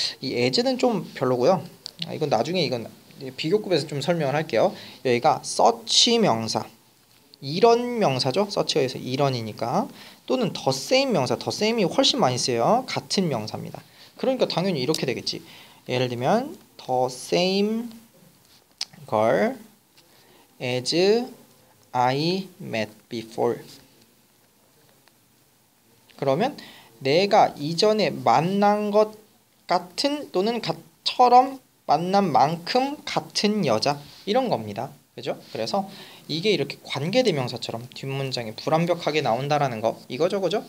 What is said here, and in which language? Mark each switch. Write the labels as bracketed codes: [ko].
[ko] 이 as는 좀 별로고요. 아, 이건 나중에 이건 비교급에서 좀 설명을 할게요. 여기가 such 명사 이런 명사죠. such가 여기서 이런이니까 또는 the same 명사 the same이 훨씬 많이 쓰여요. 같은 명사입니다. 그러니까 당연히 이렇게 되겠지. 예를 들면 [en] the same girl as I met before. [ko] 그러면 내가 이전에 만난 것 같은 또는 같처럼 만난 만큼 같은 여자 이런 겁니다. 그죠? 그래서 이게 이렇게 관계대명사처럼 뒷문장이 불완벽하게 나온다라는 거 이거죠, 그죠?